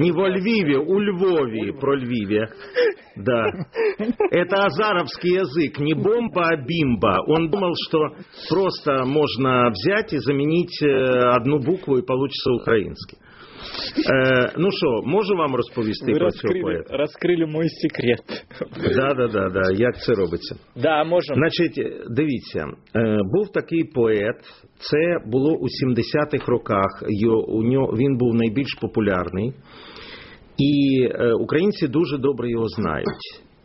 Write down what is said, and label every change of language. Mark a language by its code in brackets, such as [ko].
[uk] Не во Львіві, у Львові, про Львіві. [ru] Да. Это азаровский язык, не бомба, а бимба. Он думал, что просто можно взять и заменить одну букву, и получится украинский. Ну что, [uk] можу вам розповісти про цього поэта? Ви розкрили мой секрет. Да, як це робиться. [ru] Да, можем. [uk] Значить, дивіться, був такий поет. Це було у 70-х роках, він був найбільш популярний, і українці дуже добре його знають.